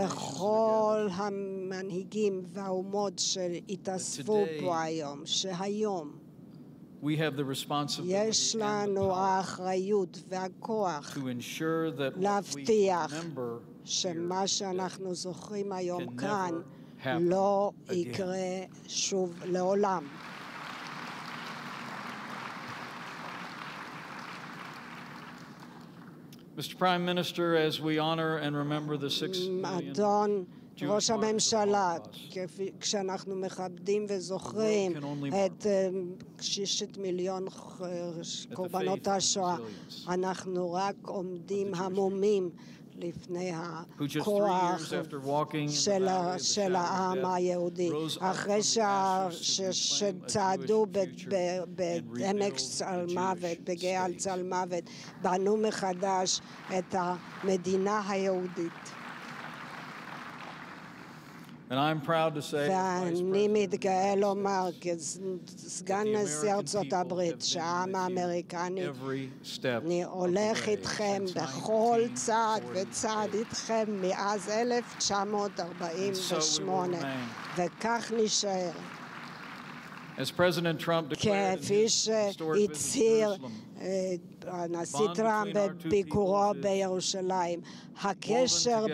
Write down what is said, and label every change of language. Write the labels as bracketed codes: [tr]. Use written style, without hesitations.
[he] בכל המנהיגים והאומות שהתאספו פה היום, שהיום [en] we have the responsibility [he] יש לנו האחריות והכוח [en] to ensure that what we remember [he] שמה שאנחנו זוכרים היום כאן לא יקרה שוב לעולם. [en] Mr. Prime Minister, as we honor and remember the 6 million [he] ראש הממשלה, כשאנחנו מכבדים וזוכרים את 6 מיליון קורבנות השואה, אנחנו רק עומדים המומים לפני הכוח של העם היהודי, אחרי שצעדו בעמק צל מוות, בגאל צל מוות, בנו מחדש את המדינה היהודית. [en] And I'm proud to say [he] ואני מתגאה לומר כסגן נשיא ארצות הברית שהעם האמריקני אני הולך איתכם בכל צעד וצעד איתכם מאז 1948 וכך נשאר. [en] As President Trump declared in his historic visit to Jerusalem, bond between our two peoples will be